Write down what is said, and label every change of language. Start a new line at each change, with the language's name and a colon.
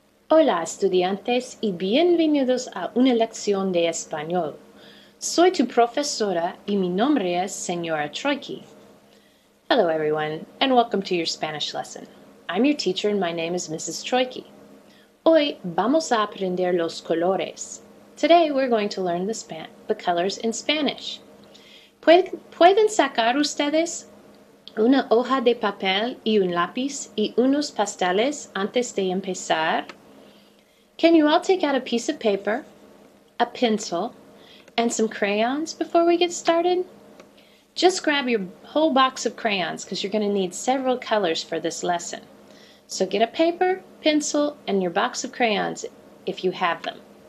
Spanish: Hola estudiantes y bienvenidos a una lección de español. Soy tu profesora y mi nombre es señora Troiki.
English: Hello everyone and welcome to your Spanish lesson. I'm your teacher and my name is Mrs. Troiki.
Spanish: Hoy vamos a aprender los colores.
English: Today we're going to learn the colors in Spanish.
Spanish: ¿Pueden sacar ustedes una hoja de papel y un lápiz y unos pasteles antes de empezar?
English: Can you all take out a piece of paper, a pencil, and some crayons before we get started? Just grab your whole box of crayons because you're going to need several colors for this lesson. So get a paper, pencil, and your box of crayons if you have them.